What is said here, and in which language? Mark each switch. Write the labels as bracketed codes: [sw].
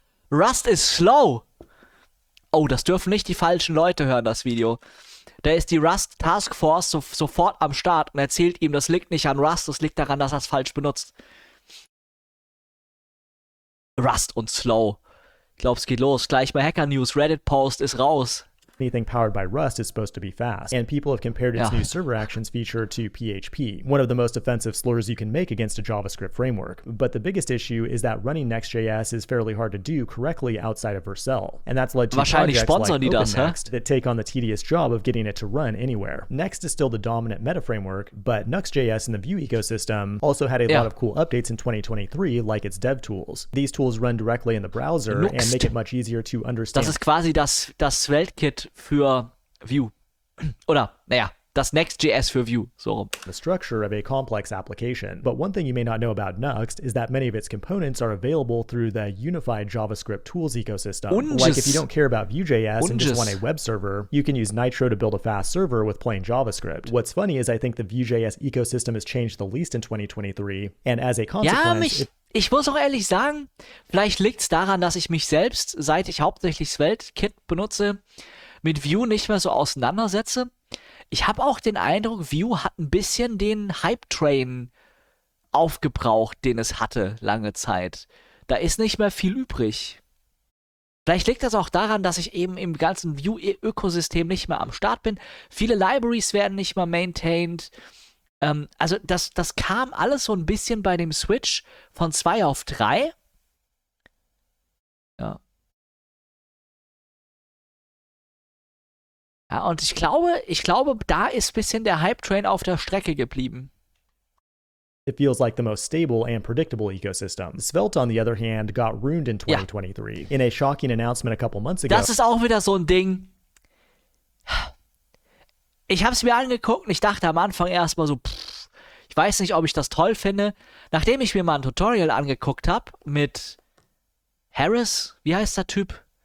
[en] Rust is slow. [de] Oh, das dürfen nicht die falschen Leute hören, das Video. Da ist die Rust Task Force sofort am Start und erzählt ihm, das liegt nicht an Rust, das liegt daran, dass er es falsch benutzt. Rust und Slow. Ich glaube, es geht los. Gleich mal Hacker News. Reddit Post ist raus. [en] Anything powered by Rust is supposed to be fast, and people have compared its new server actions feature to PHP, one of the most offensive slurs you can make against a JavaScript framework. But the biggest issue is that running Next.js is fairly hard to do correctly outside of Vercel, and that's led to [de] wahrscheinlich [en] projects like [de] die [en] OpenNext [de] das, [en] that take on the tedious job of getting it to run anywhere. Next is still the dominant meta framework, but Nuxt.js in the Vue ecosystem also had a lot of cool updates in 2023, like its dev tools. These tools run directly in the browser [de] Nuxt. [en] And make it much easier to understand. [de] Das ist quasi das Weltkit für Vue. Oder, naja, das Next.js für Vue. So rum. [en] The structure of a complex application. But one thing you may not know about Nuxt is that many of its components are available through the unified JavaScript tools ecosystem. Unges. Like if you don't care about Vue.js and just want a web server, you can use Nitro to build a fast server with plain JavaScript. What's funny is I think the Vue.js ecosystem has changed the least in 2023. And as a consequence... [de] Ja, ich muss auch ehrlich sagen, vielleicht liegt es daran, dass ich mich selbst, seit ich hauptsächlich SvelteKit benutze, mit Vue nicht mehr so auseinandersetze. Ich habe auch den Eindruck, Vue hat ein bisschen den Hype-Train aufgebraucht, den es hatte lange Zeit. Da ist nicht mehr viel übrig. Vielleicht liegt das auch daran, dass ich eben im ganzen Vue-Ökosystem nicht mehr am Start bin. Viele Libraries werden nicht mehr maintained. Also das kam alles so ein bisschen bei dem Switch von 2 auf 3. Ja. Ja, und ich glaube, da ist ein bisschen der Hype-Train auf der Strecke geblieben. [en] It feels like the most stable and predictable ecosystem. Svelte, on the other hand, got ruined in 2023. [de] Ja. [en] In a shocking announcement a couple months ago. [de] Das ist auch wieder so ein Ding. Ich habe es mir angeguckt und ich dachte am Anfang erstmal so, ich weiß nicht, ob ich das toll finde. Nachdem ich mir mal ein Tutorial angeguckt habe mit Harris, wie heißt der Typ?